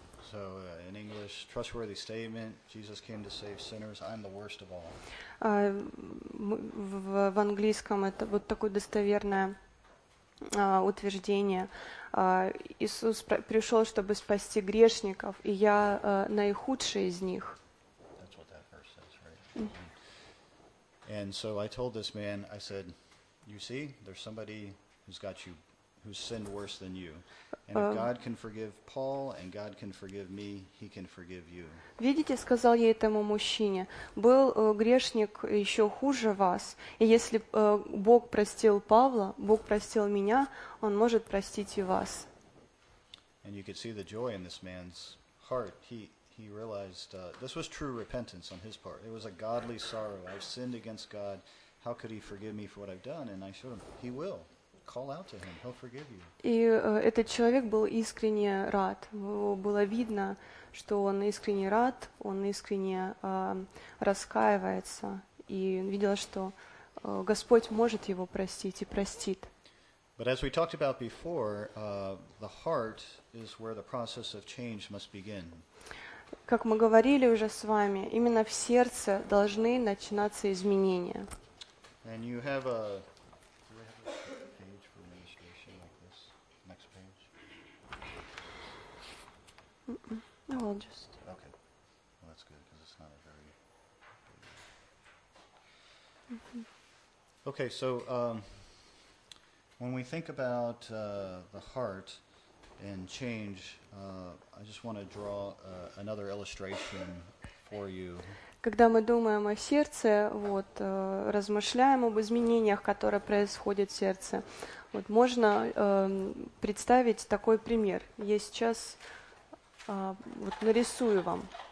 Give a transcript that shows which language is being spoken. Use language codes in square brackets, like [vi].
[en] So, in English, trustworthy statement, Jesus came to save sinners, I'm the worst of all. [ru] В английском это вот такое достоверное утверждение. Иисус пришел, чтобы спасти грешников, и я наихудший из них. [en] That's what that verse says, right? And so I told this man, I said, "You see, there's somebody who's got you who's sinned worse than you. And if God can forgive Paul and God can forgive me, he can forgive you. [ru] Видите, сказал я этому мужчине, был грешник еще хуже вас, и если Бог простил Павла, Бог простил меня, он может простить и вас. [en] And you could see the joy in this man's heart. He realized this was true repentance on his part. It was a godly sorrow. I've sinned against God. How could he forgive me for what I've done? And I showed him, he will. Call out to him. He'll forgive you. [ru] И этот человек был искренне рад. Было видно, что он искренне рад, он искренне раскаивается. И он видел, что Господь может его простить и простит. [en] But as we talked about before, the heart is where the process of change must begin. [ru] Как мы говорили уже с вами, именно в сердце должны начинаться изменения. [en] And you have a... Do we have a page for administration like this? Next page? No, I'll just... Okay. Well, that's good, because it's not a very... Okay, so... when we think about the heart and change, I just want to draw another illustration for you. [ru] Когда мы думаем о сердце, вот размышляем об изменениях, которые происходят в сердце, вот можно представить такой пример. Я сейчас вот нарисую вам.